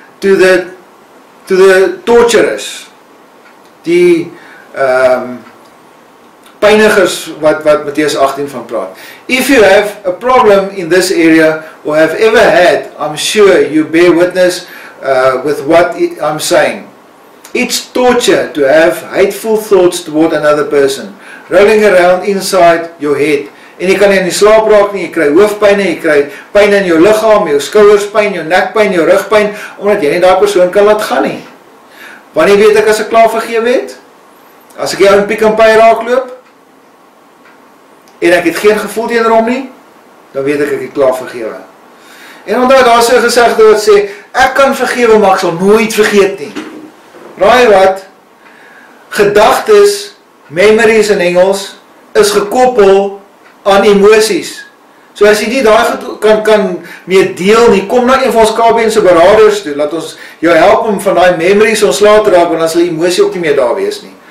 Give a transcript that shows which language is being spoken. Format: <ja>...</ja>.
<en>to the torturers,</en> <af>die pynigers wat Matteus 18 van praat.</af> <en>If you have a problem in this area or have ever had, I'm sure you bear witness with what I'm saying. It's torture to have hateful thoughts toward another person rolling around inside your head.</en> <af>En jy kan nie in die slaap raak nie, jy kry hoofpyn, jy kry pyn in jou liggaam, jou skouerspyn, jou nekpyn, jou rugpyn, omdat jy nie daai persoon kan laat gaan nie. Wanneer weet ek as ek klaar vergewe het? As ek jou in piek en pyn raak loop, en ek het geen gevoel teenoor hom nie, dan weet ek het klaar vergewe. En onthou, daar is 'n gesegde wat sê, ek kan vergewe, maar ek sal nooit vergeet nie. Raai wat, gedagtes, memories in Engels, is gekoppel aan emosies. So as jy nie daar kan mee deel nie, kom na een van ons KBN'se beraders toe, laat ons jou help om van die memories ontslae te raak, want dan sal die emosie ook nie meer daar wees nie.</af>